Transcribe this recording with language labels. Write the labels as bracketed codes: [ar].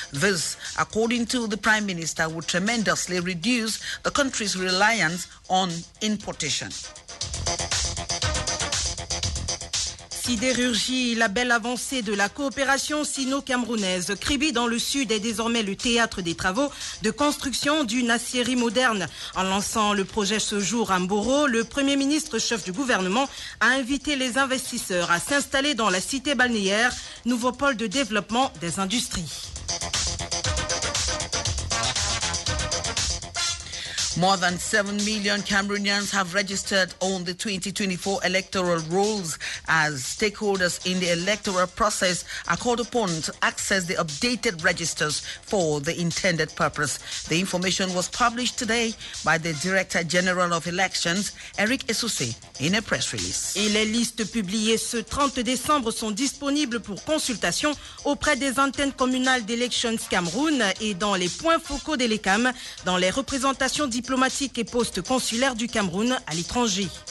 [en] This, according to the Prime Minister, would tremendously reduce the country's reliance on importation. [fr] Sidérurgie, la belle avancée de la coopération sino-camerounaise. Kribi, dans le sud, est désormais le théâtre des travaux de construction d'une aciérie moderne. En lançant le projet ce jour à Mboro, le premier ministre chef du gouvernement a invité les investisseurs à s'installer dans la cité balnéaire, nouveau pôle de développement des industries. [en] More than 7 million Cameroonians have registered on the 2024 electoral rolls as stakeholders in the electoral process are called upon to access the updated registers for the intended purpose. The information was published today by the Director General of Elections, Eric Essoussé, in a press release. [fr] Et les listes publiées ce 30 décembre sont disponibles pour consultation auprès des antennes communales d'Elections Cameroun et dans les points focaux d'Elecam, dans les représentations diplomatiques et postes consulaires du Cameroun à l'étranger.